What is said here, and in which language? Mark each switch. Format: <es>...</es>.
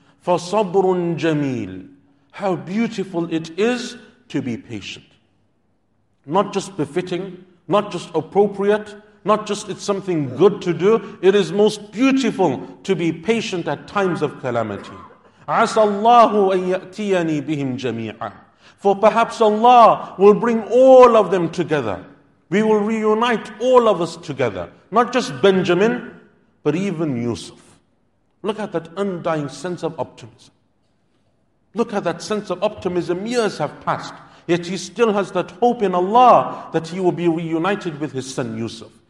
<ar>فَصَبْرٌ جَمِيلٌ.</ar> <en>How beautiful it is to be patient. Not just befitting, not just appropriate, not just it's something good to do. It is most beautiful to be patient at times of calamity.</en> <ar>عَسَى اللَّهُ أَن يَأْتِيَنِي بِهِمْ جَمِيعًا.</ar> <en>For perhaps Allah will bring all of them together. We will reunite all of us together. Not just Benjamin, but even Yusuf. Look at that undying sense of optimism. Look at that sense of optimism. Years have passed, yet he still has that hope in Allah that he will be reunited with his son Yusuf.</en>